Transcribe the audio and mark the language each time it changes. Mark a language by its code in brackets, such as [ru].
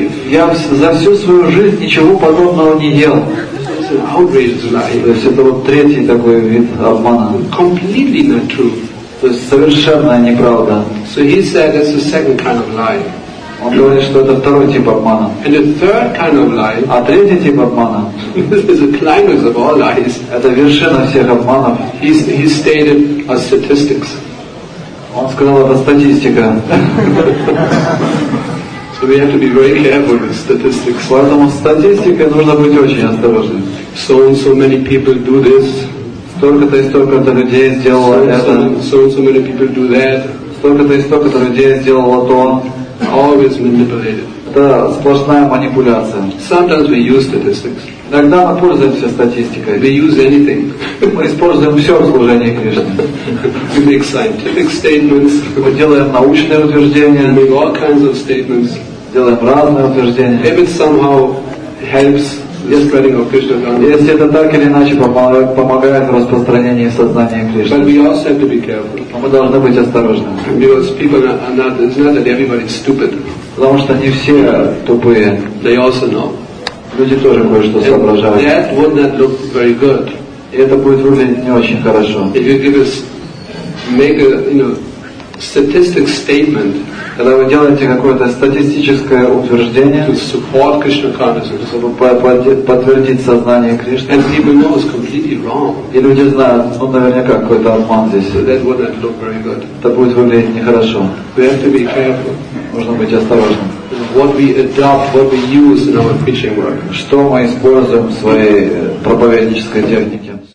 [ru] Я за всю свою жизнь ничего подобного не ел. То есть это вот третий такой вид обмана. [en] Completely not true. [ru] То есть совершенно неправда. [en] So he said it's the second kind of lie. [ru] Он говорит, что это второй тип обмана. [en] And the third kind of lie. [ru] А третий тип обмана. [en] This is the climax of all lies. [ru] Это вершина всех обманов. [en] He stated a statistics. [ru] Он сказал, это статистика. [en] So we have to be very careful with statistics. [ru] Поэтому с статистикой нужно быть очень осторожным. [en] So and so many people do this. [ru] Столько-то и столько-то людей сделало это. [en] So and so many people do that. [ru] Столько-то и столько-то людей сделало то. [en] Always manipulated. [ru] Это сплошная манипуляция. [en] Sometimes we use statistics. [ru] Иногда мы пользуемся статистикой. [en] We use anything. [ru] Мы используем все в служении Кришне. [en] We make scientific statements. [ru] Мы делаем научные утверждения. [en] We make all kinds of statements. [ru] Делаем разные утверждения. [en] If it somehow helps the spreading of Krishna consciousness. [ru] Если это так или иначе помогает в распространении сознания Кришны. [en] But we also have to be careful. [ru] Мы должны быть осторожны. [en] Because people are not, it's not that everybody is stupid. [ru] Потому что не все тупые. [en] They also know. [ru] Люди тоже кое-что [en] and [ru] соображают. [en] That would not look very good. [ru] И это будет выглядеть не очень хорошо. [en] If you give us, make a, you know, statistic statement. [ru] Когда вы делаете какое-то статистическое утверждение, чтобы подтвердить сознание Кришны, [en] and people know it's completely wrong. [ru] И люди знают, ну наверняка какой-то обман здесь. Это будет выглядеть нехорошо. [en] We have to be careful. [ru] Нужно быть осторожным. [en] What we adopt, what we use in our preaching work. [ru] Что мы используем в своей проповеднической технике.